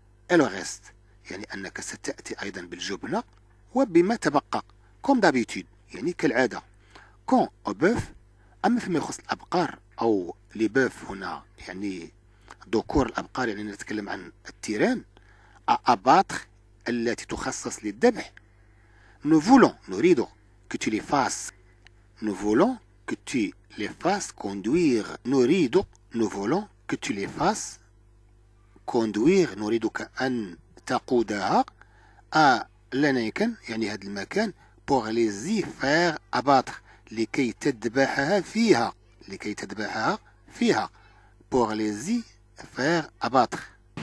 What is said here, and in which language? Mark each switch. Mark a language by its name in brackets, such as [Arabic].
[French] Et le reste, [Arabic] يعني أنك ستأتي أيضا بالجبنة وبما تبقى. [French] Comme d'habitude, [Arabic] يعني كالعادة. [French] Quand au bœuf, [Arabic] أما فيما يخص الأبقار أو لي بوف هنا يعني ذكور الأبقار, يعني نتكلم عن التيران. أباطخ التي تخصص للذبح. [French] Nous voulons, [Arabic] نريد [French] que tu les fasses. Nous voulons que tu les fasses conduire. [Arabic] نريد, [French] nous voulons que tu les fasses conduire. [Arabic] نريدك أن تقودها [French] à l'anakin, [Arabic] يعني هذا المكان. [French] Pour les y faire abattre, [Arabic] لكي تذبحها فيها. لكي تذبحها فيها. [French] Pour les y faire abattre.